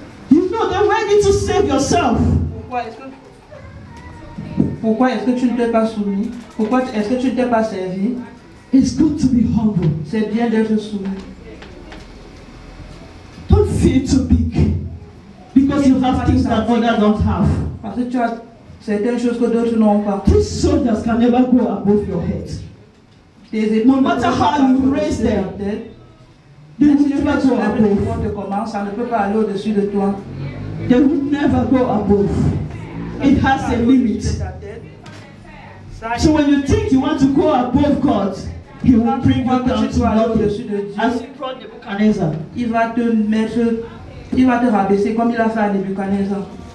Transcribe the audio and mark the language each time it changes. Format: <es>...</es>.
<en>You know, then why need to save yourself?</en> <fr>Pourquoi est-ce que tu ne t'es pas soumis? Pourquoi est-ce que tu ne t'es pas servi?</fr> <en>It's good to be humble.</en> <fr>C'est bien d'être soumis.</fr> <en>Don't feel too big because you have things that others don't have.</en> <fr>Parce que tu as certaines choses que d'autres n'ont pas.</fr> <en>These soldiers can never go above your head. No matter how you raise them, they will never go above. It has a limit. So when you think you want to go above God, He will bring you down to nothing. As Nebuchadnezzar,</en> <fr>il va te rabaisser comme il a fait à Nebuchadnezzar.</fr>